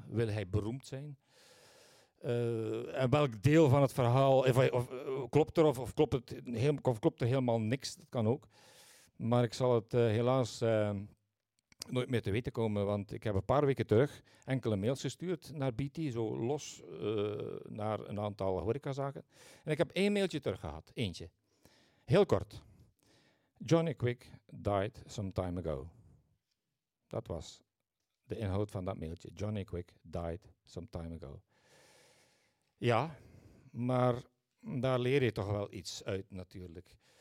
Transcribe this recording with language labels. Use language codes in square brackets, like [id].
[nl] Wil hij beroemd zijn? En welk deel van het verhaal klopt er of klopt er helemaal niks? Dat kan ook. Maar ik zal het helaas nooit meer te weten komen, want ik heb een paar weken terug enkele mails gestuurd naar BT, zo los naar een aantal horecazaken. En ik heb één mailtje terug gehad, eentje. Heel kort. [en] Johnny Quick died some time ago. [nl] Dat was de inhoud van dat mailtje. [en] Johnny Quick died some time ago. [nl] Ja, maar daar leer je toch wel iets uit natuurlijk.